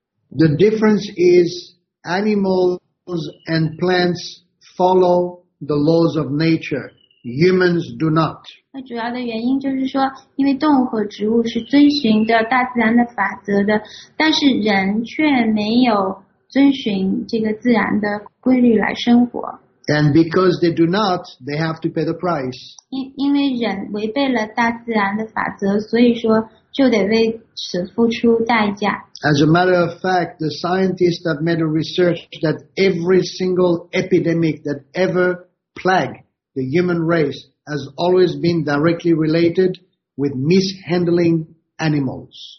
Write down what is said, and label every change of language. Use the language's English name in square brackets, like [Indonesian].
[English] The difference is animals and plants follow the laws of nature. Humans do not. [Chinese] 主要的原因就是说，因为动物和植物是遵循着大自然的法则的，但是人却没有遵循这个自然的规律来生活。 [English] And because they do not, they have to pay the price. [Chinese] 因为人违背了大自然的法则，所以说。就得为此付出代价。 [English] As a matter of fact, the scientists have made a research that every single epidemic that ever plagued the human race has always been directly related with mishandling animals.